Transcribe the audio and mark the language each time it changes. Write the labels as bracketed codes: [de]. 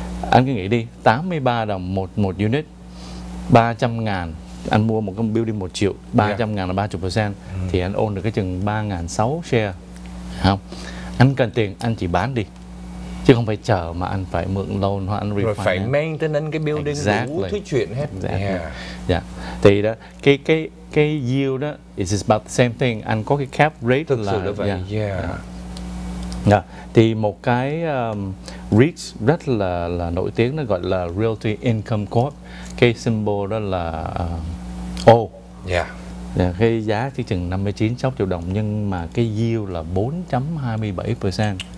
[vi] Anh cứ nghĩ đi, 83 đồng một unit, 300.000, anh mua một cái building 1 triệu, 300.000 là 30%, thì anh own được cái chừng 3.600 share. Không, anh cần tiền anh chỉ bán đi, chứ không phải chờ mà anh phải mượn loan hoặc anh refinance. Rồi phải maintenance cái building [en] exactly. [vi] Đủ thứ chuyện hết. [en] Exactly. [vi] Thì đó, cái yield đó, [en] it's about the same thing. [vi] Anh có cái cap rate thực là... Thực sự là vậy, Thì một cái REIT rất là nổi tiếng, nó gọi là Realty Income Corp. Cái symbol đó là O. Cái giá chỉ chừng 59-60 triệu đồng, nhưng mà cái yield là 4.27%.